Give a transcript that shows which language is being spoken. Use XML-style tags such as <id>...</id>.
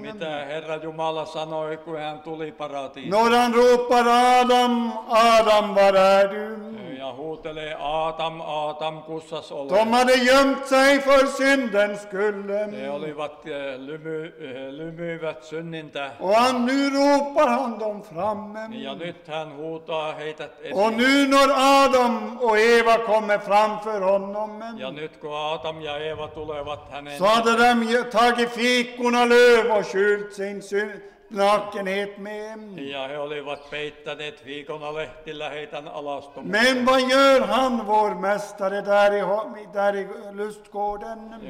<fi>Mitä Herra Jumala sanoi kun hän tuli paratiisiin?</fi> <sv>När han ropar Adam, Adam var är du?</sv> <fi>Ja huutelee Aatam, Aatam, kussas ole.</fi> <sv>De hade gömt sig för syndens skull.</sv> <fi>De olivat lymyivät synnin tähden.</fi> <sv>Och nu ropar han dem framme.</sv> <fi>Ja nyt hän huutaa heitä esiin.</fi> <sv>Och nu när Adam och Eva kommer framför honom.</sv> <fi>Ja nyt kun Adam ja Eva tulevat hänen.</fi> <sv>Så hade de tagit fikuna löv och skylt sin synd. Nakenhet med.</sv> <fi>Ja he olivat peittäneet fikuna lehtillä heitän alastomuuden.</fi> <sv>Men vad gör han vår mästare där i lustgården?</sv>